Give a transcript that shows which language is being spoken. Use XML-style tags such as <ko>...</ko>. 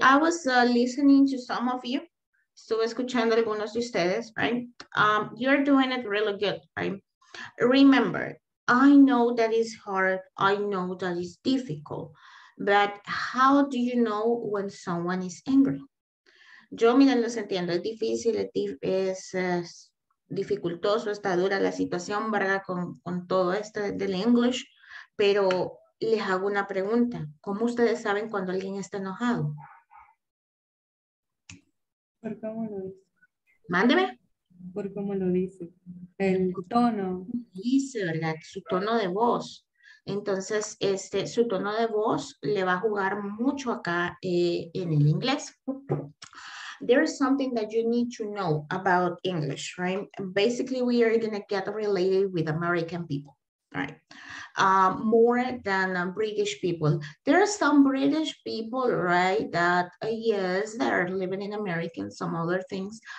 <en>I was listening to some of you.</en> <es>Estuve escuchando a algunos de ustedes,</es> <en>right? You're doing it really good, right? Remember, I know that it's hard. I know that it's difficult. But how do you know when someone is angry?</en> <es>Yo, miren, los entiendo, es difícil, es dificultoso, está dura la situación, ¿verdad? Con todo esto del English, pero les hago una pregunta. ¿Cómo ustedes saben cuando alguien está enojado? ¿Por cómo lo dice? Mándeme. ¿Por cómo lo dice? El tono. Dice, ¿verdad? Su tono de voz. Entonces, su tono de voz le va a jugar mucho acá en el inglés.</es> <en>There is something that you need to know about English, right? Basically, we are going to get related with American people, right? More than British people. There are some British people, right, that, yes, they are living in America and some other things.</en>